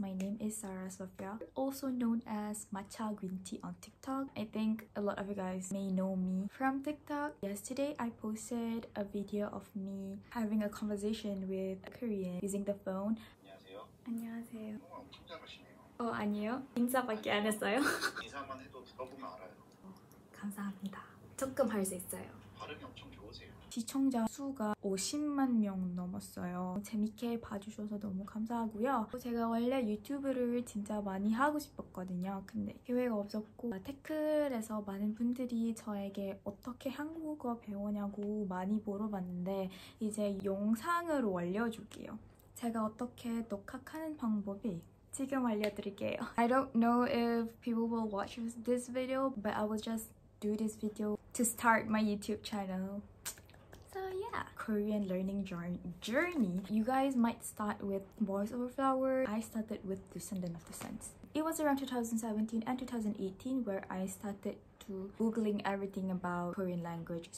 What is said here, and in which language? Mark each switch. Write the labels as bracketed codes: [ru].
[en] My name is Sarah Sofia, also known as Matcha Green Tea on TikTok. I think a lot of you guys may know me from TikTok. Yesterday, I posted a video of me having a conversation with a Korean using the phone. [ko] 안녕하세요. 안녕하세요. 아니요. 인사밖에 안 했어요. 인사만 해도 들어보면 알아요. 감사합니다. 조금 할 수 있어요. 발음이 엄청 좋으세요. 시청자 수가 50만 명 넘었어요. 재밌게 봐주셔서 너무 감사하고요. 제가 원래 유튜브를 진짜 많이 하고 싶었거든요. 근데 기회가 없었고 태클에서 많은 분들이 저에게 어떻게 한국어 배우냐고 많이 물어봤는데 이제 영상으로 알려줄게요. 제가 어떻게 녹화하는 방법이 지금 알려드릴게요. [en] I don't know if people will watch this video, but I will just do this video to start my YouTube channel. So yeah, Korean learning journey. You guys might start with Boys Over Flower. I started with Descendant of the Sense. It was around 2017 and 2018 where I started to googling everything about Korean language.